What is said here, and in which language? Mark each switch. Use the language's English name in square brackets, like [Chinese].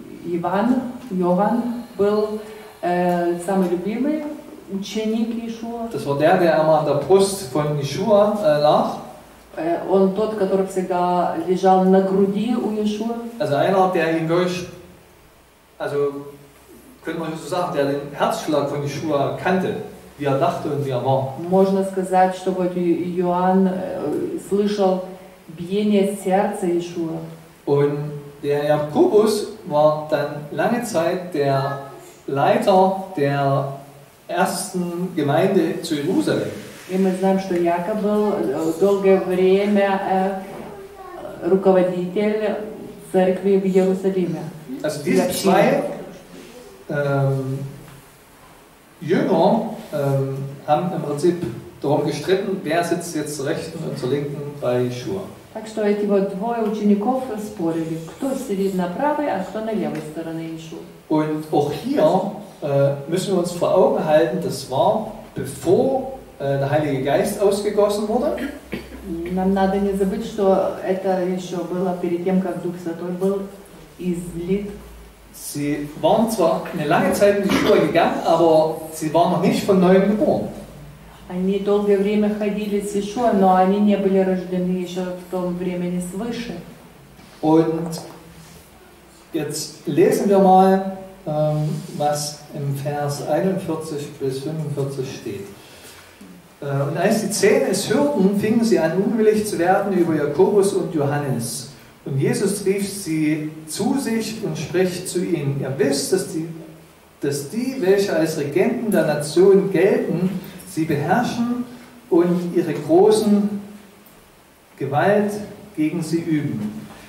[Russian] Иоанн был самый любимый ученик Йешуа. [German] Das war der, der immer an der Brust von Yeshua lag. [Russian] Он тот, который всегда лежал на груди у Йешуа. [German] Also einer, der ihn durch, also könnte man so sagen, der den Herzschlag von Yeshua kannte, wie er dachte und wie er war. [Russian] Можно сказать, что вот Иоанн слышал биение сердца Йешуа. [German] Und der Jakobus war dann lange Zeit der Leiter der ersten Gemeinde zu Jerusalem. [Russian] И мы знаем, что Яков был долгое время руководитель церкви в Иерусалиме. [German] Also diese zwei Jünger haben im Prinzip darum gestritten, wer sitzt jetzt zur rechten und zur linken bei Jeschua. [Russian] Так что эти вот двое учеников спорили, кто сидит на правой, а кто на левой стороне Иешуа. [German] Und auch hier müssen wir uns vor Augen halten, das war bevor der Heilige Geist ausgegossen wurde. [Russian] Нам надо не забыть, что это еще было перед тем, как Дух Святой был излит. [German] Sie waren zwar eine lange Zeit in die Schule gegangen, aber sie waren noch nicht von neuem geboren. [Russian] Они долгое время ходили с Иешуа, но они не были рождены еще в том времени свыше. [German] Und jetzt lesen wir mal, was im Vers 41 bis 45 steht. Und als die Zehn es hörten, fingen sie an, unwillig zu werden über Jakobus und Johannes. Und Jesus rief sie zu sich und spricht zu ihnen: Ihr wisst, dass die, welche als Regenten der Nation gelten, sie beherrschen und ihre großen Gewalt gegen sie üben.